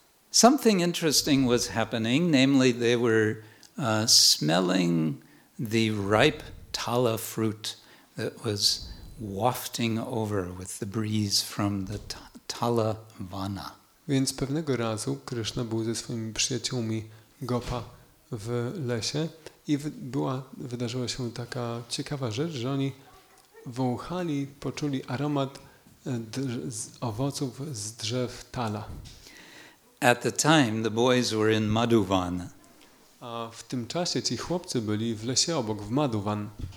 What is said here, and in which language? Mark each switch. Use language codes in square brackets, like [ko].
[en] something interesting was happening, namely they were smelling the ripe tala fruit that was wafting over with the breeze from the tala vana. [pl] Więc pewnego razu Krishna był ze swoimi przyjaciółmi gopa w lesie i wydarzyła się taka ciekawa rzecz, że oni wąchali, poczuli aromat z owoców z drzew tala. [en] At the time the boys were in Madhuvan. [pl] A w tym czasie ci chłopcy byli w lesie obok w Madhuvan.